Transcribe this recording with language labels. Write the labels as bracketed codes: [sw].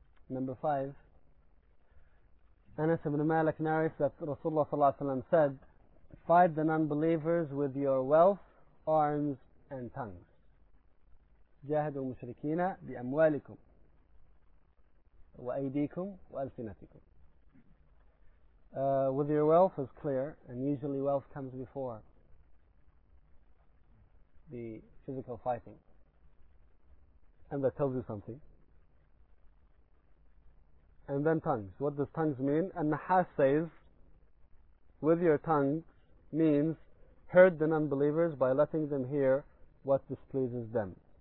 [en] Number 5, Anas ibn Malik narrates that Rasulullah sallallahu alaihi wasallam said, fight the non-believers with your wealth, arms, and tongues. [ar] جاهدوا المشركين بأموالكم وأيديكم وألسنتكم. [en] With your wealth is clear, and usually wealth comes before the physical fighting. And that tells you something. And then tongues. What does tongues mean? And Nahas says, with your tongues means herd the non-believers by letting them hear what displeases them.